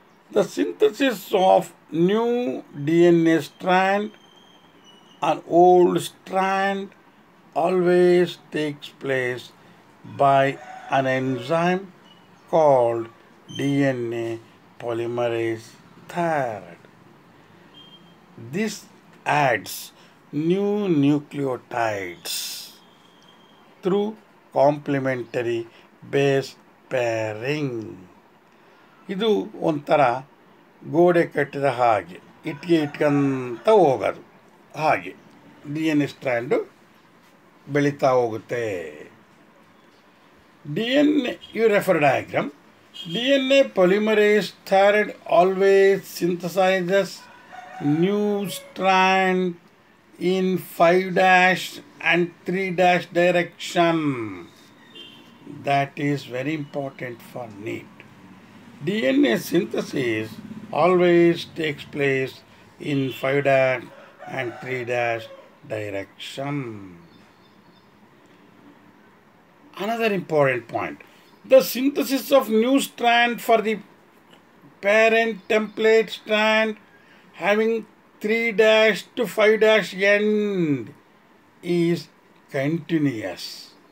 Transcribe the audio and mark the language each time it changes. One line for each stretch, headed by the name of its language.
English: The synthesis of new DNA strand and old strand always takes place by an enzyme called DNA polymerase third. This adds new nucleotides through complementary base pairing.
Kannada: ಇದು ಒಂಥರ ಗೋಡೆ ಕಟ್ಟಿದ ಹಾಗೆ ಇಟ್ಟಿಗೆ ಇಟ್ಕಂತ ಹೋಗೋದು ಹಾಗೆ D N A strand ಬೆಳೀತಾ ಹೋಗುತ್ತೆ
English: D N A you refer diagram D N A polymerase third always synthesizes new strand in 5' and 3' direction that is very important for need DNA synthesis always takes place in 5' and 3' direction. Another important point, the synthesis of new strand for the parent template strand having 3' to 5' end is continuous.